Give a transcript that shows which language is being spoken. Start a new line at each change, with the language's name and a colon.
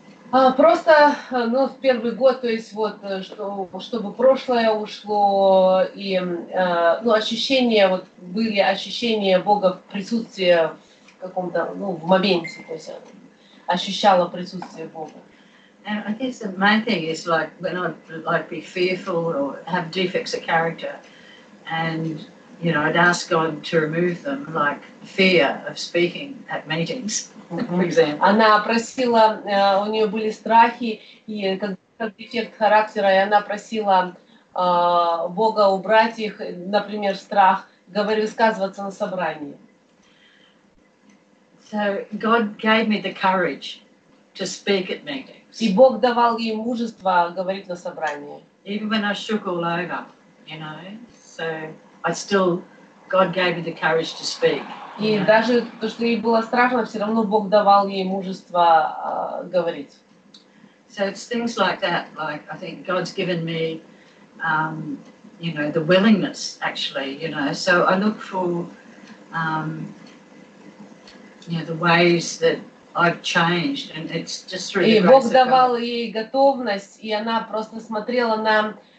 Russian: Просто, ну, в первый год, то есть вот, чтобы прошлое ушло, и, ну, ощущения, вот, были ощущения Бога в присутствии в каком-то, ну, в моменте, то есть ощущала присутствие Бога.
English: And I guess the main thing is, like, when I'd, like, be fearful or have defects of character, and... You know, I'd ask God to remove them, like fear of speaking at meetings, for example.
Russian: Она просила, у нее были страхи и как дефект характера, и она просила Бога убрать их, например, страх говорить, высказываться на собрании.
English: So God gave me the courage to speak at meetings.
Russian: И Бог давал ей мужество говорить на собрании.
English: Even when I shook all over, you know, so. I still, God gave me the courage to speak.
Russian: И даже то, что ей было страшно, все равно Бог давал ей мужество говорить.
English: So it's things like that. Like I think God's given me, you know, the willingness. Actually, you know, so I look for, you know, the ways that I've changed, and it's just really.
Russian: И Бог давал ей готовность, и она просто смотрела на.